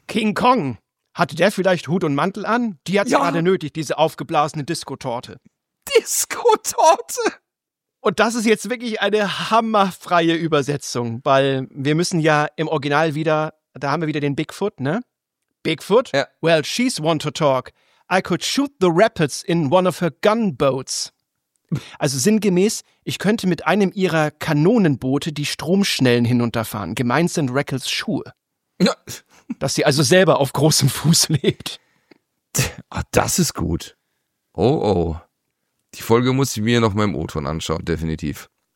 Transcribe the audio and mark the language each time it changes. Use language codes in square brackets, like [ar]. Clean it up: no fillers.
[de] King Kong! Hatte der vielleicht Hut und Mantel an? Die hat's gerade nötig, diese aufgeblasene Disco-Torte. Disco-Torte! Und das ist jetzt wirklich eine hammerfreie Übersetzung, weil wir müssen ja im Original wieder, da haben wir wieder den Bigfoot, ne? Bigfoot? Ja. [en] Well, she's one to talk. I could shoot the rapids in one of her gunboats. [de] Also sinngemäß, ich könnte mit einem ihrer Kanonenboote die Stromschnellen hinunterfahren. Gemeint sind Rackles Schuhe. Ja. Dass sie also selber auf großem Fuß lebt. Ach, das ist gut. Oh, oh. Die Folge muss ich mir noch mal im O-Ton anschauen, definitiv.